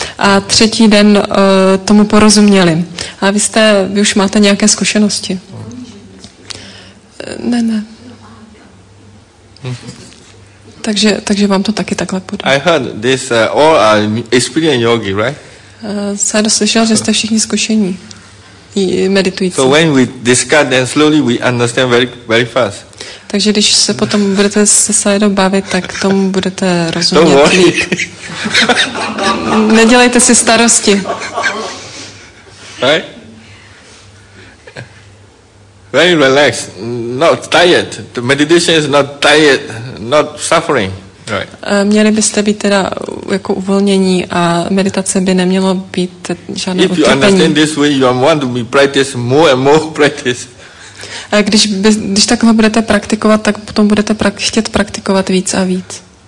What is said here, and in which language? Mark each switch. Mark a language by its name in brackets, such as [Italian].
[Czech] A třetí den tomu porozuměli. A vy už máte nějaké zkušenosti. Ne. Takže vám to taky takhle půjde. [English] I heard this all are experienced yogi, right? [Czech] Sayada slyšel, že jste všichni zkušení meditující. [English] So when we discuss, then slowly we understand very, very fast. [Czech] Takže když se potom budete se Sayadou bavit, tak tomu budete rozumět. [English] Don't worry. [Czech] Nedělejte si starosti. [English] Right? Very relaxed, not tired. The meditation is not tired. Not suffering, [Czech] Měli byste být teda jako uvolnění a meditace by nemělo být žádné utrpení. [English] If you understand this way, you want to be practice more and more practice. [Czech] A když takhle budete praktikovat, tak potom budete chtět praktikovat víc a víc.